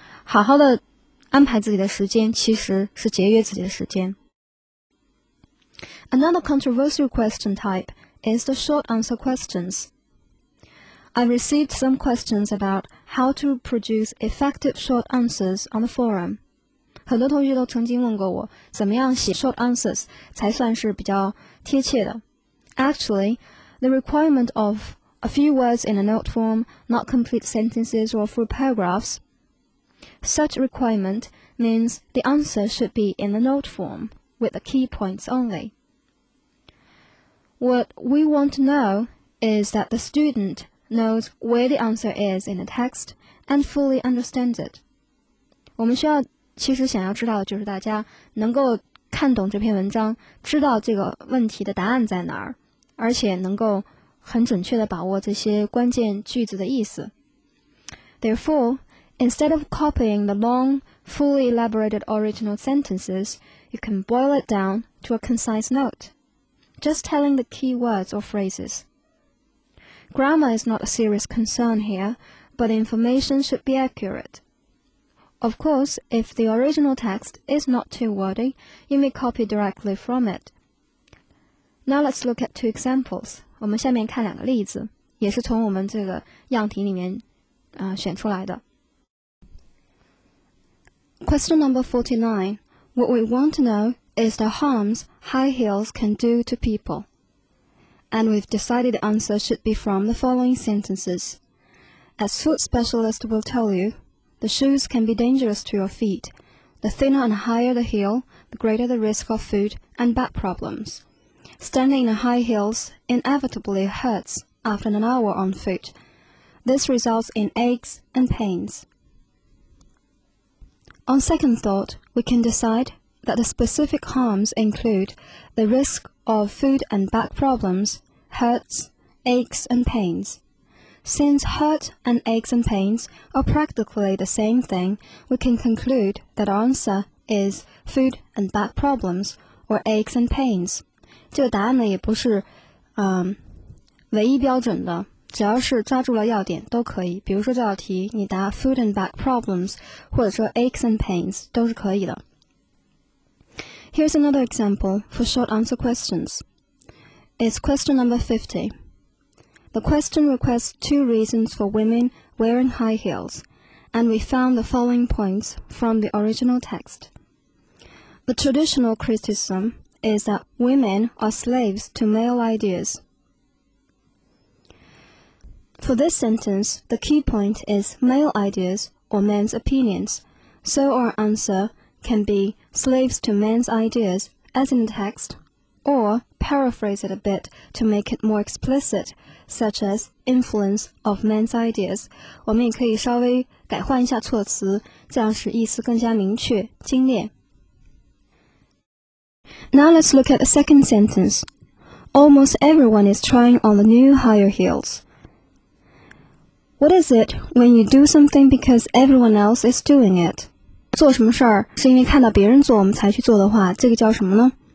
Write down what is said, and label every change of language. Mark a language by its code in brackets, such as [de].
[zh] 好好的安排自己的时间其实是节约自己的时间。 [en] Another controversial question type is the short answer questions. I received some questions about how to produce effective short answers on the forum. [zh] 很多同学都曾经问过我，怎么样写 [en] short answers [zh] 才算是比较贴切的。 [en] Actually, the requirement of a few words in a note form, not complete sentences or full paragraphs, such requirement means the answer should be in the note form, with the key points only. What we want to know is that the studentknows where the answer is in the text and fully understands it. [zh] 我们需要其实想要知道的就是大家能够看懂这篇文章，知道这个问题的答案在哪儿，而且能够很准确地把握这些关键句子的意思。 [en] Therefore, instead of copying the long, fully elaborated original sentences, you can boil it down to a concise note, just telling the key words or phrases. Grammar is not a serious concern here, but information should be accurate. Of course, if the original text is not too wordy, you may copy directly from it. Now let's look at 2 examples. [zh] 我们下面看两个例子，也是从我们这个样题里面，选出来的。 [en] Question number 49. What we want to know is the harms high heels can do to people. And we've decided the answer should be from the following sentences. As foot specialist will tell you, the shoes can be dangerous to your feet. The thinner and higher the heel, the greater the risk of foot and back problems. Standing in high heels inevitably hurts after an hour on foot. This results in aches and pains. On second thought, we can decide that the specific harms include the risk of foot and back problems,hurts, aches, and pains. Since hurt and aches and pains are practically the same thing, we can conclude that our answer is foot and back problems or aches and pains. [zh] 这个答案呢也不是、唯一标准的，只要是抓住了要点都可以。比如说这道题你答 [en] foot and back problems [zh] 或者说 [en] aches and pains [zh] 都是可以的。 [en] Here's another example for short answer questions. It's question number 50. The question requests 2 reasons for women wearing high heels, and we found the following points from the original text. The traditional criticism is that women are slaves to male ideas. For this sentence, the key point is male ideas or men's opinions. So our answer can be slaves to men's ideas, as in the text, or paraphrase it a bit to make it more explicit, such as influence of men's ideas. [zh] 我们也可以稍微改换一下措辞，这样使意思更加明确，精炼。 [en] Now let's look at the second sentence. Almost everyone is trying on the new higher heels. What is it when you do something because everyone else is doing it? [zh] 做什么事儿是因为看到别人做我们才去做的话，这个叫什么呢？